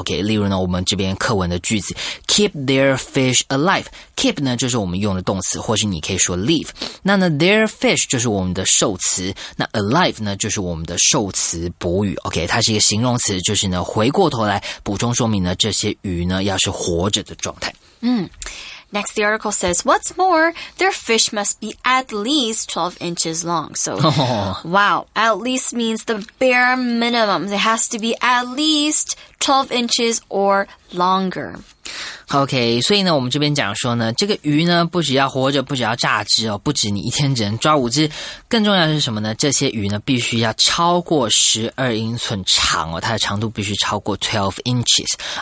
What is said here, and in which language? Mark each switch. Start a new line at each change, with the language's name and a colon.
Chinese: OK, 例如呢我们这边课文的句子
English: keep their fish alive,
Chinese: keep 呢就是我们用的动词，或是你可以说 live, 那呢 their fish 就是我们的受词，那 alive 呢就是我们的受词补语。 OK, 它是一个形容词，就是呢回过头来补充说明呢这些鱼呢要是活着的状态。
English: Next, the article says, what's more, their fish must be at least 12 inches long. So, wow, at least means the bare minimum. It has to be at least 12 inches or longer.
Chinese: OK, 所以呢我们这边讲说呢这个鱼呢不只要活着，不只要榨汁哦，不止你一天只能抓五只，更重要的是什么呢，这些鱼呢必须要超过12英寸长哦，它的长度必须超过 12 inches。